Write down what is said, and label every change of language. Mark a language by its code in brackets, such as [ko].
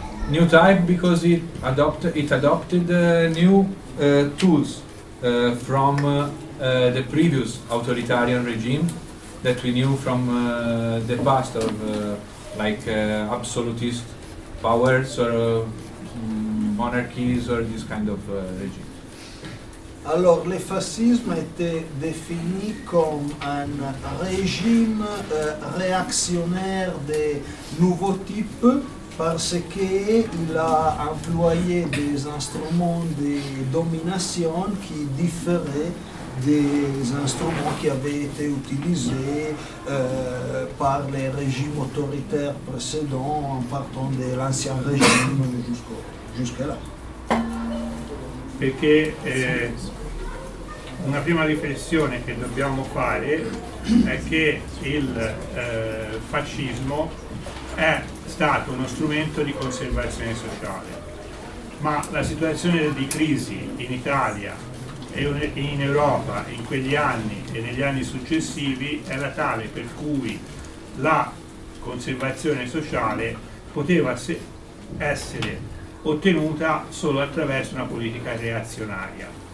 [en] New type because it adopted new tools from the previous authoritarian regime that we knew from the past of like absolutist powers or monarchies or this kind of regime. [fr] Alors, le fascisme était défini comme un régime réactionnaire de nouveau type parce qu'il a employé des instruments de domination qui différaient des instruments qui avaient été utilisés par les régimes autoritaires précédents, en partant de l'ancien régime jusqu'à là. [it] Perché una prima riflessione che dobbiamo fare è che il fascismo è stato uno strumento di conservazione sociale, ma la situazione di crisi in Italia e in Europa in quegli anni e negli anni successivi era tale per cui la conservazione sociale poteva essere ottenuta solo attraverso una politica reazionaria. Quindi